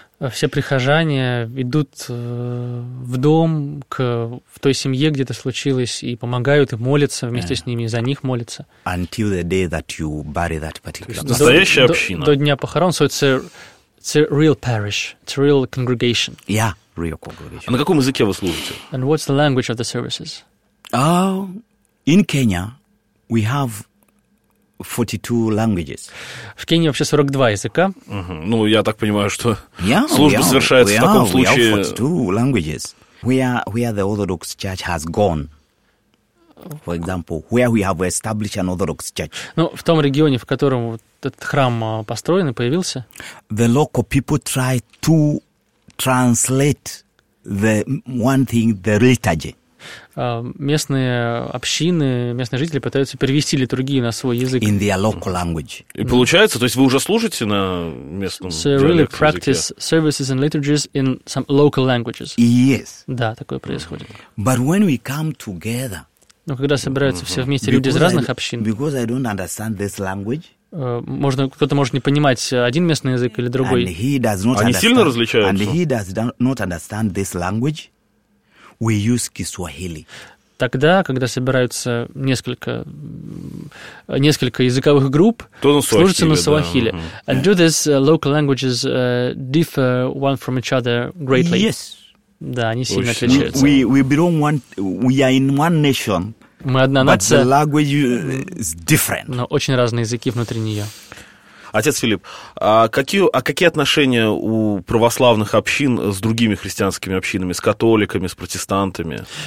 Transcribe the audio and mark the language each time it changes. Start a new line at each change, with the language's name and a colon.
Russian: Все прихожане идут в дом к в той семье, где это случилось, и помогают и молятся вместе с ними, и за них молятся.
English: Until the day that you bury that particular.
Russian: Настоящая община. До дня похорон,
English: so it's a real parish, it's a real congregation. Yeah, real congregation.
Russian: А на каком языке вы служите?
English: And what's the language of the services? In Kenya, we have 42 languages.
Russian: В Кении вообще 42 языка. Ну, я так понимаю, что служба совершается в таком случае.
English: We are 42 languages. Where the Orthodox Church has gone. For example, where we have established an Orthodox Church.
Russian: Ну, в том регионе, в котором вот этот храм построен и появился.
English: The local people try to translate the one thing, the liturgy.
Russian: Местные общины, местные жители пытаются перевести литургию на свой язык.
English: In their local language.
Russian: И получается, то есть вы уже служите на местном
English: So really practice
Russian: языке.
English: Services and liturgies in some local languages. Yes.
Russian: Да, такое происходит.
English: But when we come together,
Russian: но когда собираются все вместе люди из разных общин,
English: because I don't understand this language,
Russian: можно, кто-то может не понимать один местный язык или другой.
English: And he does not
Russian: Они сильно различаются.
English: And he does not understand this language. We use Kiswahili.
Russian: Тогда, когда собираются несколько языковых групп, служится на Суахили.
English: And do these local languages differ one from each other greatly? Yes.
Russian: Да, они сильно отличаются.
English: We belong one. We are in one nation.
Russian: Мы одна нация.
English: But the language is different.
Russian: Но очень разные языки внутри нее. Отец Филипп, какие отношения у православных общин с другими христианскими общинами, с католиками, с протестантами?